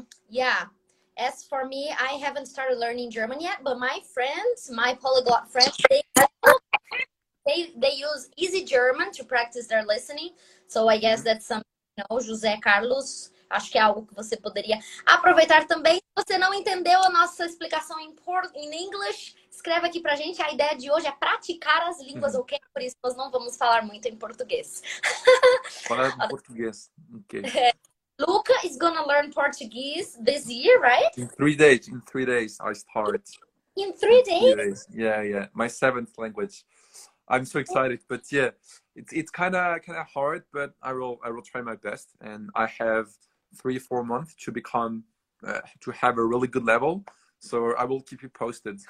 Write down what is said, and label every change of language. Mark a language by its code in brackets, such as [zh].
[en] Yeah, as for me, I haven't started learning German yet, but my friends, my polyglot friends, they use Easy German to practice their listening. So I guess that's some, you know, José Carlos. [pt] Acho que é algo que você poderia aproveitar também. Se você não entendeu a nossa explicação em inglês, escreve aqui pra gente. A ideia de hoje é praticar as línguas, ok? Por isso nós não vamos falar muito em português. Falar em português, ok. [en] Luca is gonna learn Portuguese this year, right? In three days, I start. In three days? Yeah. My seventh language. I'm so excited, but yeah, it's kind of hard, but I will try my best, and I have 3-4 months to become to have a really good level, so I will keep you posted.